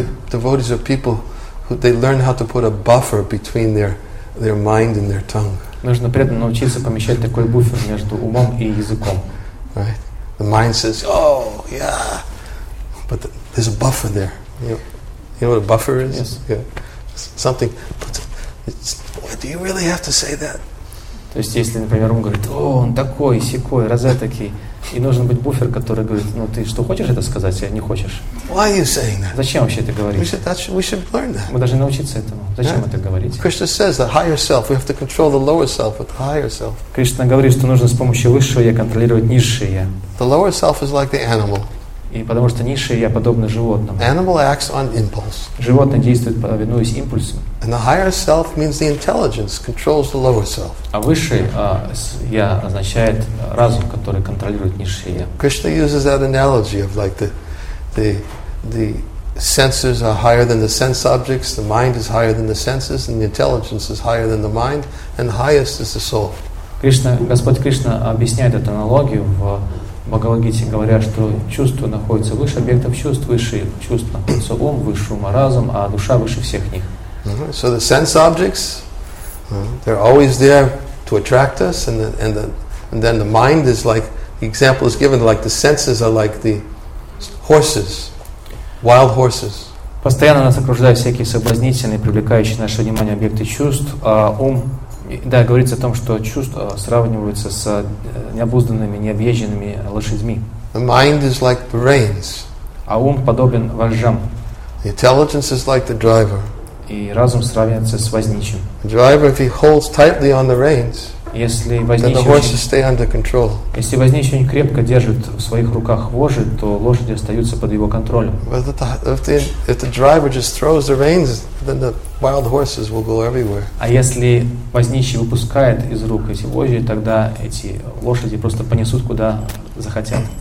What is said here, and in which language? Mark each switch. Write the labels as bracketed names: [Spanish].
[English] Devotees are people who they learn how to put a buffer between their mind and their tongue. [Russian] Нужно преданно научиться помещать такой буфер между умом и языком. [English] Right? The mind says, oh, yeah. But there's a buffer there. You know what a buffer is? Yes. Yeah. Something. Do you really have to say that? [Russian] То есть, если, например, он говорит, о, он такой, сякой, розетакий, и нужен быть буфер, который говорит, ну, ты что, хочешь это сказать, или не хочешь? [English] Why are you saying that? [Russian] Зачем вообще это говорить? [English] We should learn that. [Russian] Мы должны научиться этому. Зачем это говорить? [English] Krishna says that higher self, we have to control the lower self with the higher self. [Russian] Кришна говорит, что нужно с помощью высшего я контролировать низшее я. [English] The lower self is like the animal. [Russian] И потому что низшее я подобно животному. [English] Animal acts on impulse. [Russian] Животное действует, повинуясь импульсу. [English] And the higher self means the intelligence controls the lower self. [Russian] А высшее я означает разум, который контролирует низшее я. [English] Krishna uses that analogy of like the senses are higher than the sense objects, the mind is higher than the senses, and the intelligence is higher than the mind, and the highest is the soul. [Russian] Кришна, Господь Кришна объясняет эту аналогию в Бхагавад-гите, говоря, что чувства находятся выше объектов чувств, выше чувств находится ум, выше ума разум, а душа выше всех них. [English] So the sense objects, they're always there to attract us, and then the mind is like, the example is given, like the senses are like the horses, wild horses. [Russian] Постоянно нас окружают всякие соблазнительные, привлекающие наше внимание объекты чувств, а ум, да, говорится о том, что чувства сравниваются с необузданными, необъезженными лошадьми. [English] The mind is like the reins. [Russian] А ум подобен вожжам. [English] The intelligence is like the driver. [Russian] И разум сравнивается с возничим. [English] The driver, if he holds tightly on the reins, [Russian] если возничий очень крепко держит в своих руках вожжи, то лошади остаются под его контролем. А если возничий выпускает из рук эти вожжи, тогда эти лошади просто понесут куда захотят.